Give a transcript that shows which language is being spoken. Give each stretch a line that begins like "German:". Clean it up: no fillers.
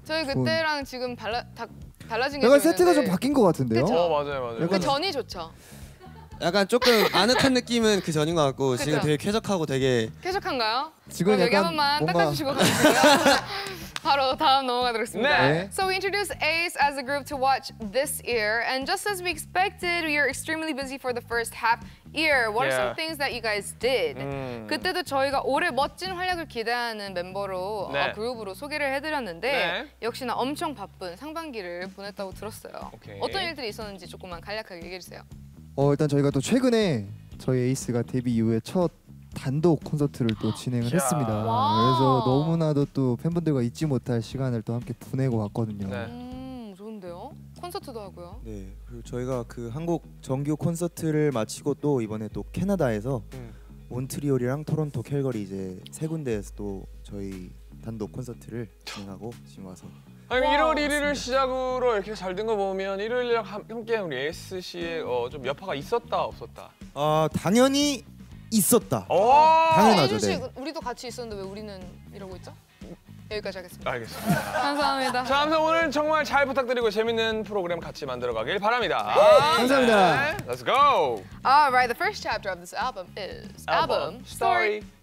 Korean: 저희 좋은... 그때랑 지금 달라진 게 약간 세트가 좀 바뀐 것 같은데요? 그쵸? 어, 맞아요. 약간... 전이 좋죠. 약간 조금 아늑한 느낌은 그 전인 것 같고 그쵸? 지금 되게 쾌적하고 되게 쾌적한가요? 지금 여기 한 번만 뭔가... 닦아주시고 가겠습니다. 바로 다음 넘어가도록 하겠습니다. 네.
English: So we introduced Ace as a group to watch this year and just as we expected, we are extremely busy for the first half year. What are yeah. some things that you guys did?
Korean: 그때도 저희가 올해 멋진 활약을 기대하는 멤버로 네. 어, 그룹으로 소개를 해드렸는데 네. 역시나 엄청 바쁜 상반기를 보냈다고 들었어요.
English: Okay.
Korean: 어떤 일들이 있었는지 조금만 간략하게 얘기해주세요. 어 일단 저희가 또 최근에 저희 에이스가 데뷔 이후에 첫 단독 콘서트를 또 진행을 했습니다. 그래서 너무나도 또 팬분들과 잊지 못할 시간을 또 함께 보내고 왔거든요. 네. 좋은데요? 콘서트도 하고요. 네, 그리고 저희가 그 한국 정규 콘서트를 마치고 또 이번에 또 캐나다에서 몬트리올이랑 토론토, 캘거리 이제 세 군데에서 또 저희 단독 콘서트를 진행하고 지금 와서 아니 1월 1일을 시작으로 이렇게 잘 된 거 보면 1월 1일 함께 우리 ASC의 어, 좀 여파가 있었다 없었다? 아 당연히 있었다. 오~ 당연하죠. 아, 네. 우리도 같이 있었는데 왜 우리는 이러고 있죠? 여기까지 하겠습니다. 알겠습니다. 감사합니다. 자, 아무튼 오늘 정말 잘 부탁드리고 재밌는 프로그램 같이 만들어 가길 바랍니다. 감사합니다. 네,
English: let's go. Alright, the first chapter of this album is album story.